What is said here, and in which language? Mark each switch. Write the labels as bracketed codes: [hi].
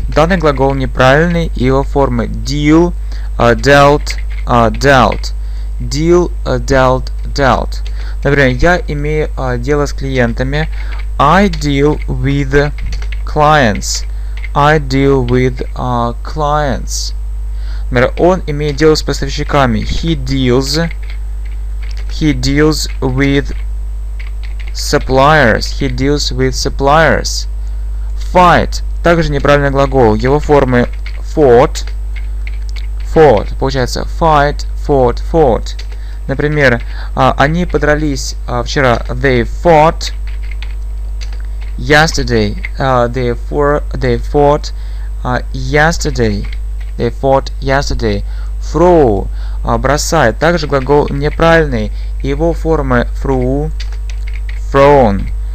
[ru] Данный глагол неправильный, его формы [en] deal, dealt, dealt. Deal, dealt, dealt. [ru] Например, я имею дело с клиентами. [en] I deal with clients. I deal with clients. [ru] Например, он имеет дело с поставщиками. [en] He deals with suppliers. He deals with suppliers. Fight. [ru] Также неправильный глагол. Его формы fought. [en] Fought. [ru] Получается [en] fight, fought, fought. [ru] Например, они подрались вчера. [en] They fought yesterday. They fought yesterday. They fought yesterday. Throw. [ru] Бросает. Также глагол неправильный. Его формы [en] threw, thrown.